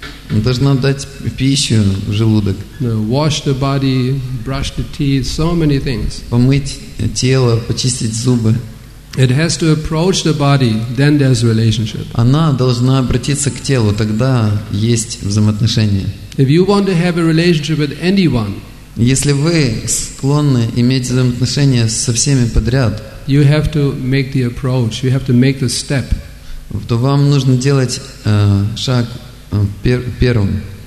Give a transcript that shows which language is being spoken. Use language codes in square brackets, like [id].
[ru] Она должна дать пищу в желудок. [en] Wash the body, brush the teeth, so many things. [ru] Помыть тело, почистить зубы. [en] It has to approach the body, then there's relationship. [ru] Она должна обратиться к телу, тогда есть взаимоотношения. [en] If you want to have a relationship with anyone, [ru] если вы склонны иметь взаимоотношения со всеми подряд, [en] you have to make the approach, you have to make the step. [ru] То вам нужно делать шаг первым.